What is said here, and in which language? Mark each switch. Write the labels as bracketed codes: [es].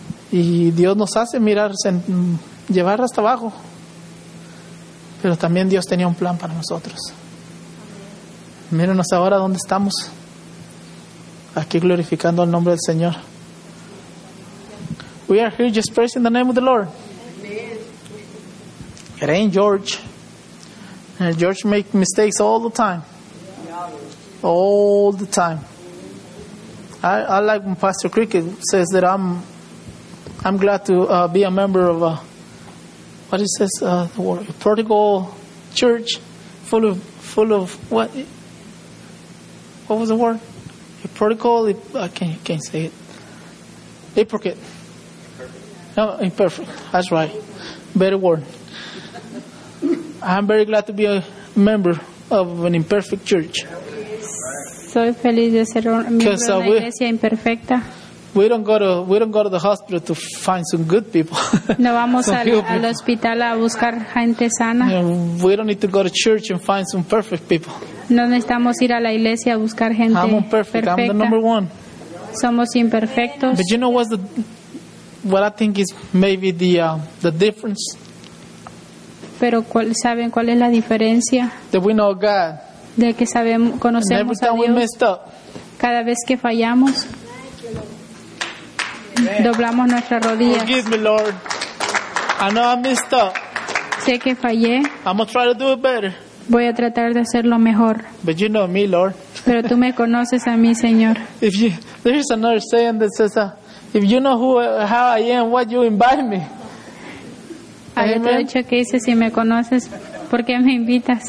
[es] Y Dios nos hace mirar, llevar hasta abajo. pero también Dios tenía un plan para nosotros. Mírenos ahora dónde estamos, aquí glorificando el nombre del Señor. [en] We are here just praising the name of the Lord. It ain't George. And George makes mistakes all the time. All the time. I like when Pastor Cricket says that I'm glad to be a member of a Portugal church full of what was the word? I can't say it. Hypocrite. No, imperfect. That's right. Better word. I'm very glad to be a member of an imperfect church. [es] Soy feliz de ser miembro de una iglesia imperfecta. [en] We don't go to the hospital to find some good people. [es] No vamos al hospital a buscar gente sana. [en] We don't need to go to church and find some perfect people. [es] No necesitamos ir a la iglesia a buscar gente perfecta. [en] I'm imperfect. I'm the number one. [es] Somos imperfectos. [en] But you know what's the what I think is maybe the difference? [es] Pero saben cuál es la diferencia? [en] That we know God. [es] De que sabemos, conocemos a Dios. [en] Every time we messed [es] up. Cada vez que fallamos. Amen. Doblamos nuestras rodillas. [en] Forgive me, Lord. I know I messed up. [es] Sé que fallé. [en] I'm gonna try to do it better. [es] Voy a tratar de hacerlo mejor. [en] But you know me, Lord. [es] Pero tú me conoces a mí, Señor. [en] If you, there's another saying that says, if you know how I am, what you invite me? [es] Hay otro dicho que dice, si me conoces, ¿por qué me invitas?